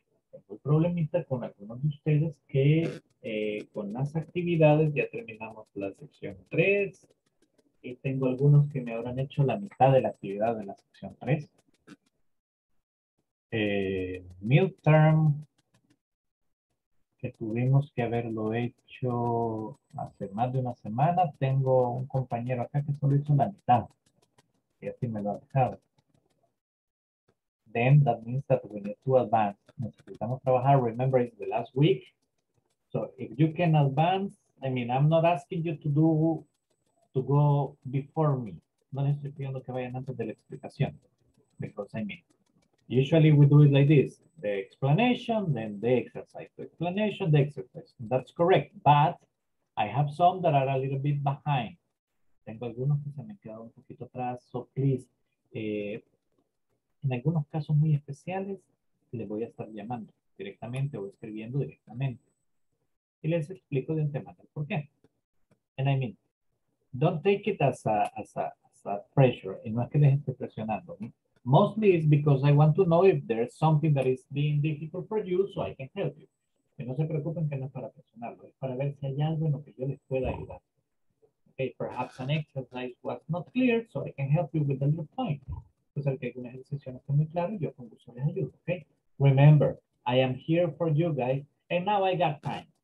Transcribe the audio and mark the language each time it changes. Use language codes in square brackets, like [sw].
[es] Tengo un problemita con algunos de ustedes que con las actividades ya terminamos la sección 3 y tengo algunos que me habrán hecho la mitad de la actividad de la sección 3. Midterm, que tuvimos que haberlo hecho hace más de una semana. Tengo un compañero acá que solo hizo la mitad y así me lo ha dejado. [en] Then that means that we need to advance. [es] Necesitamos trabajar. [en] Remember, it's the last week. So if you can advance, I mean, I'm not asking you to go before me. [es] No les estoy pidiendo que vayan antes de la explicación. [en] Because I mean, usually we do it like this. The explanation, then the exercise. The explanation, the exercise. That's correct. But I have some that are a little bit behind. [es] Tengo algunos que se me quedaron un poquito atrás. [en] So please, [es] en algunos casos muy especiales, les voy a estar llamando directamente o escribiendo directamente. Y les explico de antemano por qué. [en] And I mean, don't take it as a pressure. [es] Y no es que les esté presionando. [en] Mostly it's because I want to know if there's something that is being difficult for you so I can help you. [es] Que no se preocupen que no es para presionarlo. Es para ver si hay algo en lo que yo les pueda ayudar. [en] Okay, perhaps an exercise was not clear so I can help you with a little point. [es] Pues el que hay una ejercicio no está muy claro, yo con gusto les ayudo, ¿ok? [en] Remember, I am here for you guys, and now I got time.